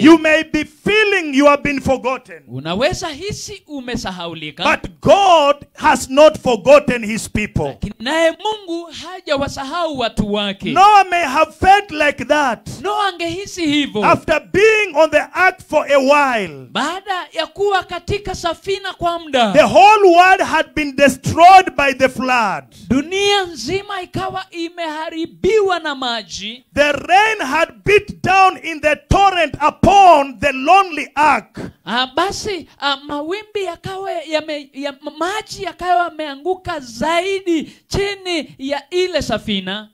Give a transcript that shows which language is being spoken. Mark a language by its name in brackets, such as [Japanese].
[English] You may be feeling you have been forgotten. [Swahili] Unaweza hisi umesahaulika. [English] But God has not forgotten his people. [Swahili] Naye Mungu hajawasahau watu wake. [English] Noah may have felt like that. [Swahili] Noah angehisi hivyo. [English] After being on the ark for a while. [Swahili] Baada ya kuwa katika safina kwa muda. [English] The whole world had been destroyed by the flood. [Swahili] Dunia nzima ikawa imeharibiwa na maji. [English] The rain had beat down in the torrent upon the lonely ark. [Swahili] Basi mawimbi yakawa maji yakawa yameanguka zaidi chini ya ile safina.